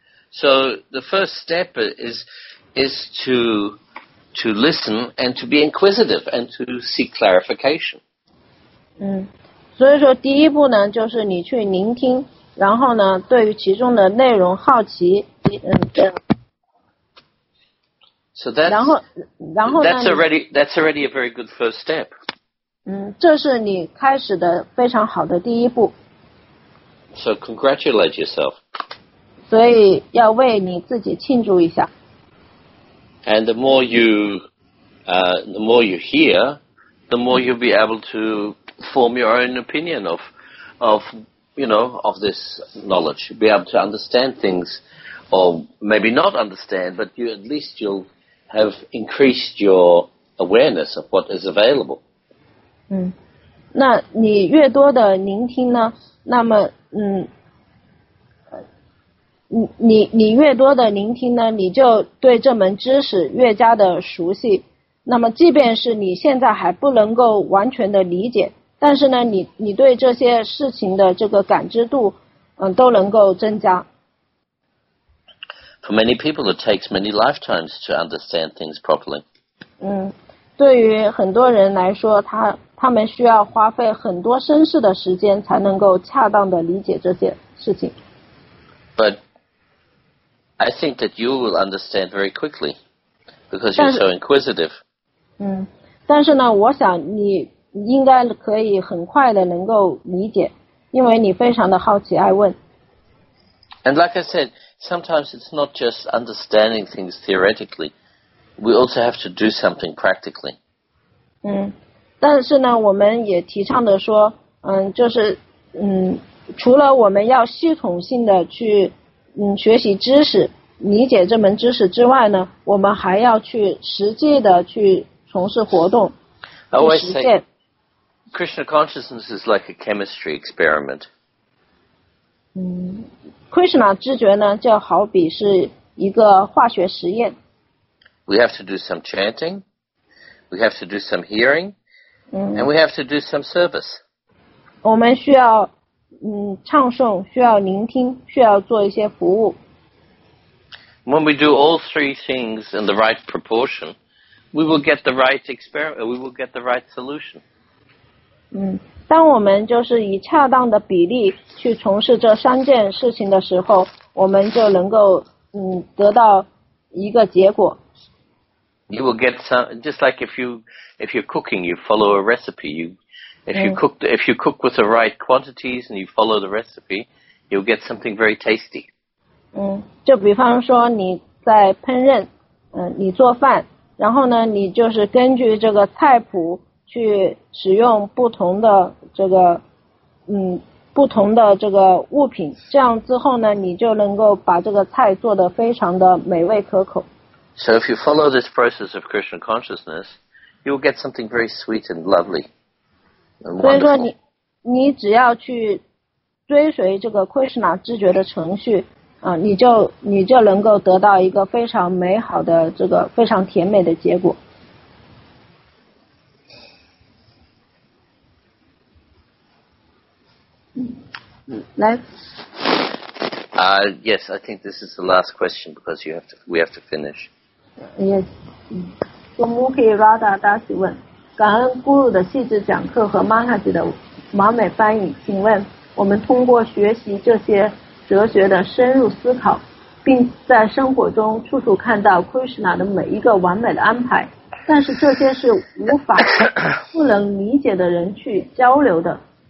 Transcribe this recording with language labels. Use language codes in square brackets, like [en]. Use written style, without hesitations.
[en] So the first step is to listen and to be inquisitive and to seek clarification. [zh] 所以说第一步呢，就是你去聆听，然后呢，对于其中的内容好奇。 [en] So that's already a very good first step. [zh] 这是你开始的非常好的第一步。 [en] So congratulate yourself. [zh] 所以要为你自己庆祝一下。 [en] And the more you hear, the more you'll be able to form your own opinion of this knowledge. Be able to understand things, or maybe not understand, but you at least you'll have increased your awareness of what is available. [zh] 那你越多的聆听呢？那么你越多的聆听呢，你就对这门知识越加的熟悉。那么即便是你现在还不能够完全的理解，但是呢，你对这些事情的这个感知度，都能够增加。 [en] For many people, it takes many lifetimes to understand things properly. [zh] 对于很多人来说，他们需要花费很多生世的时间才能够恰当的理解这些事情。 [en] But I think that you will understand very quickly because you're so inquisitive. [zh] 但是呢，我想你应该可以很快的能够理解，因为你非常的好奇爱问。 [en] And like I said, sometimes it's not just understanding things theoretically. We also have to do something practically. [zh] 但是呢，我们也提倡的说，就是除了我们要系统性的去学习知识，理解这门知识之外呢，我们还要去实际的去从事活动，去实践。 [en] Krishna consciousness is like a chemistry experiment. [zh] Krishna 知觉呢，就好比是一个化学实验。 [en] We have to do some chanting, we have to do some hearing, and we have to do some service. [zh] 我们需要唱诵，需要聆听，需要做一些服务。 [en] When we do all three things in the right proportion, we will get the right experiment. We will get the right solution. [zh] 当我们就是以恰当的比例去从事这三件事情的时候，我们就能够得到一个结果。 [en] You will get some, just like if you're cooking, you follow a recipe. If you cook with the right quantities and you follow the recipe, you'll get something very tasty. [zh] 就比方说你在烹饪，你做饭，然后呢，你就是根据这个菜谱去使用不同的这个，不同的这个物品，这样之后呢，你就能够把这个菜做得非常的美味可口。 [en] So if you follow this process of Krishna consciousness, you'll get something very sweet and lovely. [zh] 所以说你只要去追随这个 Krishna 知觉的程序，你就能够得到一个非常美好的这个非常甜美的结果。来。 [en] Yes, I think this is the last question because we have to finish. [zh] Yes. 中午可以拉大大喜问。感恩 Guru 的细致讲课和 Mahaji 的完美翻译，请问我们通过学习这些哲学的深入思考，并在生活中处处看到 Krishna 的每一个完美的安排，但是这些是无法不能理解的人去交流的，